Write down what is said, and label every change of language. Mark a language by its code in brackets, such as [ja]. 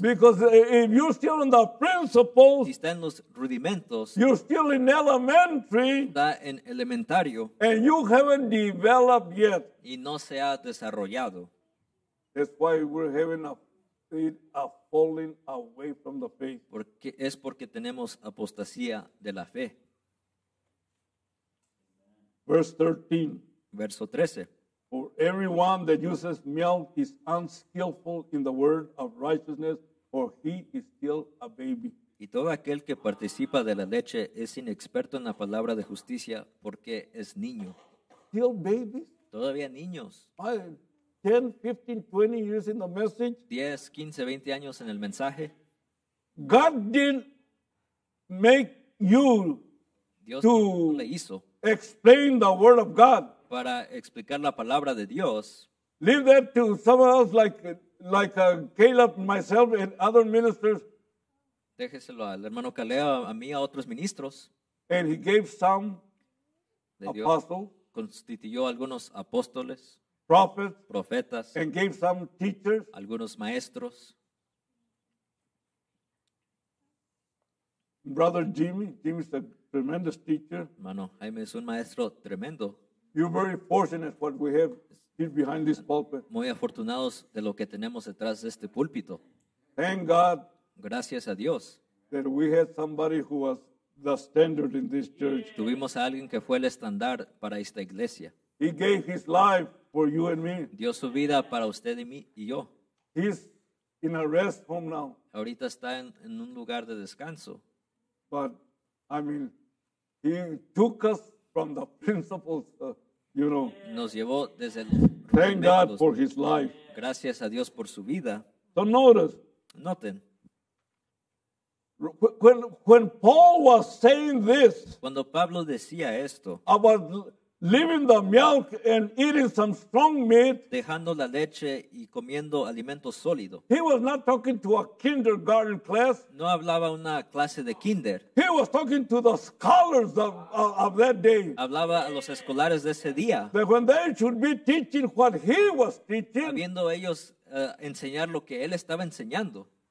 [en] Because if you're still in the principles, [es] si está en los rudimentos, [en] you're still in elementary. [es] Está en elementario. [en] And you haven't developed yet. [es] Y no se ha desarrollado. [en] That's why we're having a falling away from the faith. [es] Porque es porque tenemos apostasía de la fe. [en] Verse 13. For everyone that uses milk is unskillful in the word of righteousness, for he is still a baby. [es] Y todo aquel que participa de la leche es inexperto en la palabra de justicia, porque es niño. [en] Still babies? [es] Todavía niños. [en] 10, 15, 20 years in the message. [es] 10, 15, 20 años en el mensaje. [en] God didn't make you [es] Dios [en] to [es] le hizo [en] explain the word of God. [es] Para explicar la palabra de Dios. [en] Leave that to someone else like Caleb, myself, and other ministers. [es] Déjeselo al hermano Caleb, a mí, a otros ministros. [en] And he gave some apostles. [es] Constituyó algunos apóstoles. [en] Prophets, and gave some teachers, [es] algunos maestros, [en] brother Jimmy's a tremendous teacher. [es] Mano Jaime es un maestro tremendo. [en] You're very fortunate what we have here behind this pulpit. [es] Muy afortunados de lo que tenemos detrás de este púlpito. [en] Thank God. [es] Gracias a Dios. [en] That we had somebody who was the standard in this church. [es] Tuvimos a alguien que fue el estándar para esta iglesia. [en] He gave his life for you and me. [es] Dio su vida para usted y mí y yo. [en] He's in a rest home now. [es] Ahorita está en un lugar de descanso. [en] But I mean, he took us from the principles, you know. [es] Nos llevó desde el [en] Thank God for his life. [es] Gracias a Dios por su vida. [en] So notice. [es] Noten. [en] When Paul was saying this, [es] cuando Pablo decía esto, [en] about leaving the milk and eating some strong meat, [es] dejando la leche y comiendo alimento sólido, [en] he was not talking to a kindergarten class. [es] No hablaba una clase de kinder. [en] He was talking to the scholars of that day. [es] Hablaba a los escolares de ese día. [en] That when they should be teaching what he was teaching, [es] habiendo ellos enseñar lo que él estaba enseñando.